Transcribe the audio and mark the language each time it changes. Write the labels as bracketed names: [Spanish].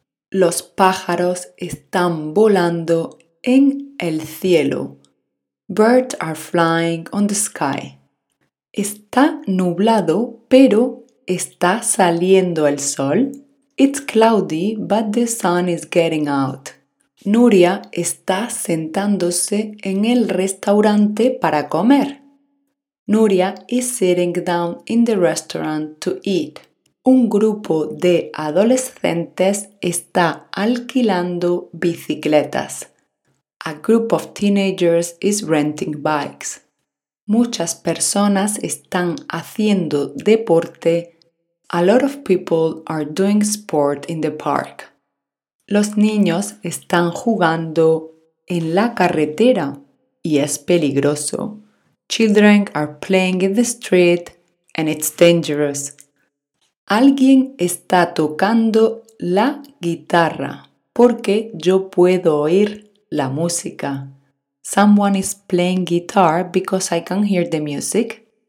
[Spanish] Los pájaros están volando en el cielo. [English] Birds are flying on the sky. [Spanish] Está nublado, pero está saliendo el sol. [English] It's cloudy, but the sun is getting out. [Spanish] Nuria está sentándose en el restaurante para comer. [English] Nuria is sitting down in the restaurant to eat. [Spanish] Un grupo de adolescentes está alquilando bicicletas. [English] A group of teenagers is renting bikes. [Spanish] Muchas personas están haciendo deporte. [English] A lot of people are doing sport in the park. [Spanish] Los niños están jugando en la carretera y es peligroso. [English] Children are playing in the street and it's dangerous. [Spanish] Alguien está tocando la guitarra porque yo puedo oír la música. [English] Someone is playing guitar because I can hear the music.